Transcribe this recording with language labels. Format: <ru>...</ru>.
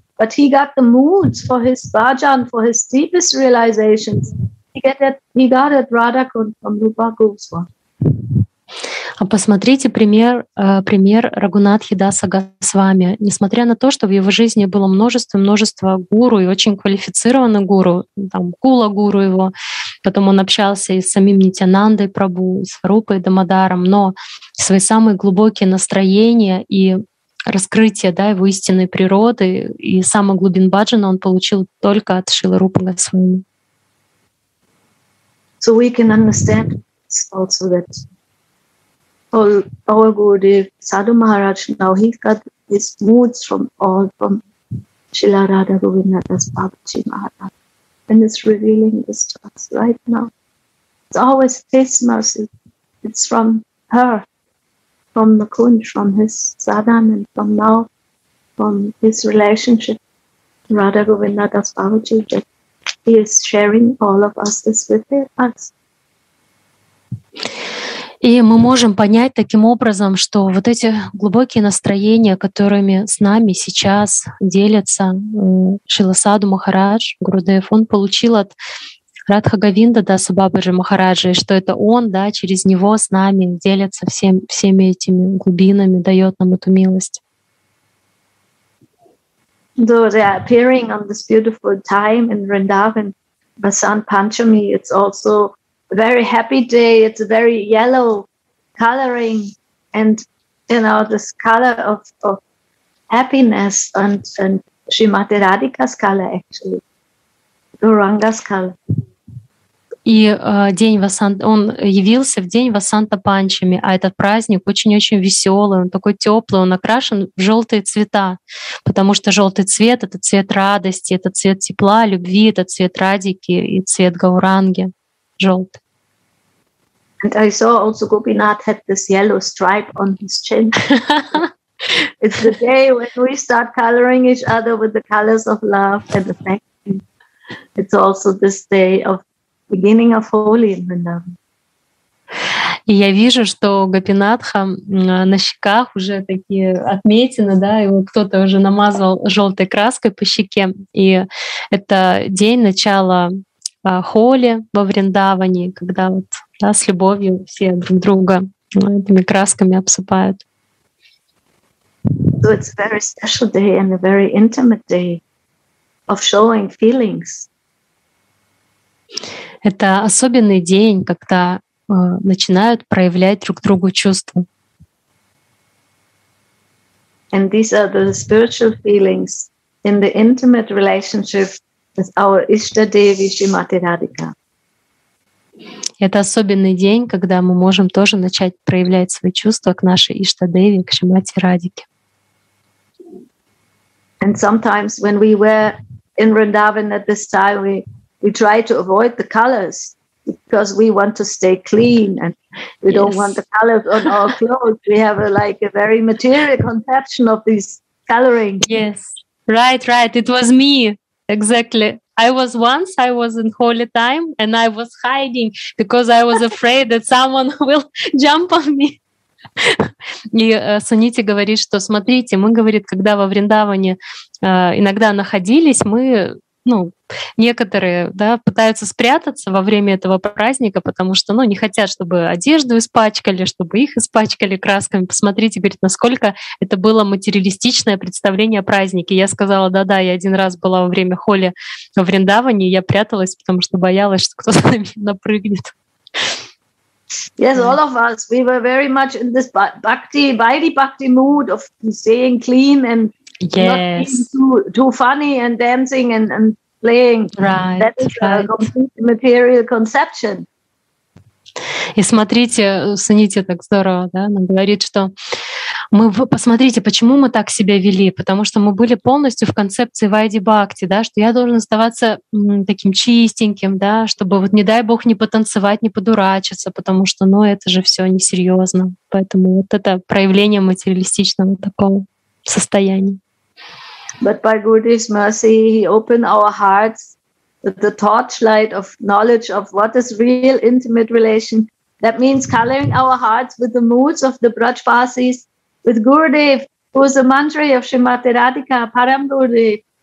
<en>But he got the moods for his bhajan, for his deepest realizations. He got it Radhakund from Rupa Goswami.</en> <ru>А посмотрите пример Рагунатхи Даса Госвами. Несмотря на то, что в его жизни было множество гуру и очень квалифицированных гуру, там Кула гуру его, потом он общался и с самим Нитянандой Прабу, и с Варупой Дамодаром, но свои самые глубокие настроения и раскрытие, да, его истинной природы и самый глубин баджана он получил только от Шрилы Рупы Госвами.</ru> <en>So we can understand also that our Gurudev Sadhu Maharaj, now he's got his moods from Srila Radha Govindadas Babaji Maharaj, and is revealing this to us right now. It's always his mercy. It's from her, from the Kund, from his sadhan, and from now, from his relationship to Radha Govindadas Babaji, that he is sharing all of us this with us.</en> <ru>И мы можем понять таким образом, что вот эти глубокие настроения, которыми с нами сейчас делится Шрила Садху Махарадж, Гурудев, он получил от Радха Говинда Даса Бабаджи Махараджа, и что это он, да, через него с нами делится всеми этими глубинами, дает нам эту милость.</ru> <en>Though they are appearing on this beautiful time in Vrindavan, Basant Panchami, it's also very happy day, it's a very yellow coloring, and you know, this color of happiness and Shrimati Radhika's color actually, Gauranga's color.</en> <ru>И день Васанта, он явился в день Васанта Панчами, а этот праздник очень-очень веселый, он такой теплый, он окрашен в желтые цвета, потому что желтый цвет — это цвет радости, это цвет тепла, любви, это цвет Радики и цвет Гауранги, желтый.</ru> <en>And I saw also Gopinath had this yellow stripe on his chin. It's the day when we start coloring each other with the colors of love and affection. It's also this day of beginning of holy in Vrindavan.</en> <ru>И я вижу, что Гопинатха на щеках уже такие отметины, да, его кто-то уже намазал желтой краской по щеке. И это день начала холи во Вриндаване, когда вот да, с любовью все друг друга этими красками обсыпают.</ru> <en>So it's a very special day and a very intimate day of showing feelings.</en> <ru>Это особенный день, когда начинают проявлять друг другу чувства.</ru> <en>And these are the spiritual feelings in the intimate relationship with our Ishta Devi Shrimati Radhika.</en> <ru>Это особенный день, когда мы можем тоже начать проявлять свои чувства к нашей Ишта-деви, к Шримати Радике.</ru> <en>And sometimes when we were in Vrindavan at this time, we try to avoid the colors because we want to stay clean and we don't want the colors on our clothes. We have a very material conception of these coloring. Yes, right. It was me. Exactly. I was in holy time and I was hiding because I was afraid that someone will jump on me.</en> <ru>И Сунити говорит, что смотрите, мы, говорит, когда во Вриндаване иногда находились, мы, ну, некоторые, да, пытаются спрятаться во время этого праздника, потому что, ну, не хотят, чтобы одежду испачкали, чтобы их испачкали красками. Посмотрите, говорит, насколько это было материалистичное представление о празднике. Я сказала, да-да, я один раз была во время холи во Вриндаване, я пряталась, потому что боялась, что кто-то на меня напрыгнет.</ru> <en>Yes, all of us, we were very much in this bhakti mood of staying clean and yes, not being too funny and dancing and playing. Right, that is right. A complete material conception.</en> <ru>И смотрите, Сунити так здорово, да, она говорит, что мы, посмотрите, почему мы так себя вели, потому что мы были полностью в концепции Вайди Бхакти, да, что я должен оставаться таким чистеньким, да, чтобы вот не дай бог не потанцевать, не подурачиться, потому что, ну, это же все несерьезно. Поэтому вот это проявление материалистичного такого состояния.</ru> <en>But by Gurudev's mercy, he opened our hearts with the torchlight of knowledge of what is real intimate relation, That means coloring our hearts with the moods of the Brajvasis, with Gurudev, who is a mantra of Srimati Radhika, Param Gurudev.</en>